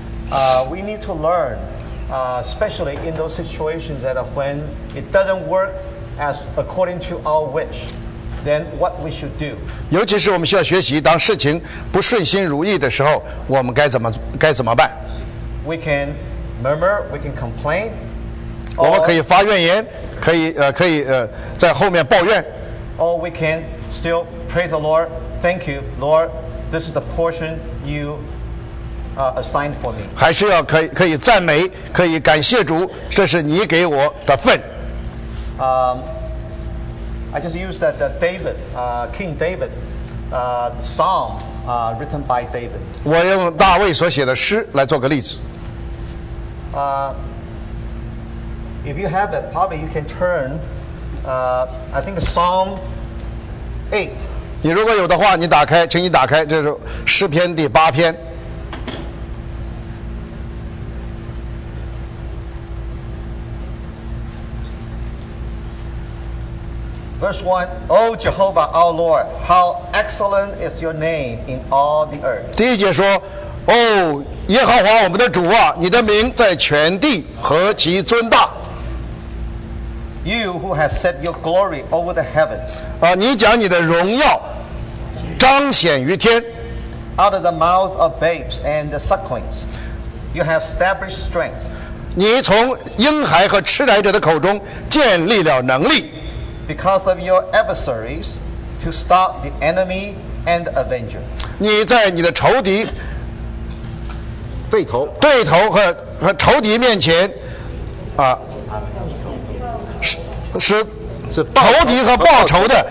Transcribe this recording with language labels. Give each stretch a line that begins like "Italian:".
English: We need to learn, especially in those situations that when it doesn't work as according to our wish, then what we should do.
Chinese: 尤其是我们需要学习，当事情不顺心如意的时候，我们该怎么办
English: ？We can murmur, we can complain.
Chinese: 我们可以发怨言，可以在后面抱怨。
English: Or we can still praise the Lord. Thank you, Lord. This is the portion you assigned for me.
Chinese: 还是要可以赞美，可以感谢主，这是你给我的份。
English: I just used that the David, King David, Psalm, written by David.
Chinese: 我用大卫所写的诗来做个例子。
English: If you have it, probably you can turn, I think Psalm 8,
Chinese: 你如果有的话，你打开，请你打开，这是诗篇第八篇。
English: Verse 1, O Jehovah, our Lord, how excellent is your name in all the earth.
Chinese: 第一节说，哦，耶和华我们的主啊，你的名在全地何其尊大。
English: You who has set your glory over the heavens.
Chinese: 啊，你讲你的荣耀彰显于天。
English: Out of the mouth of babes and the sucklings, you have established strength.
Chinese: 你从婴孩和吃奶者的口中建立了能力。
English: Because of your adversaries, to stop the enemy and avenger.
Chinese: 你在你的仇敌对头和仇敌面前，啊，是仇敌和报仇的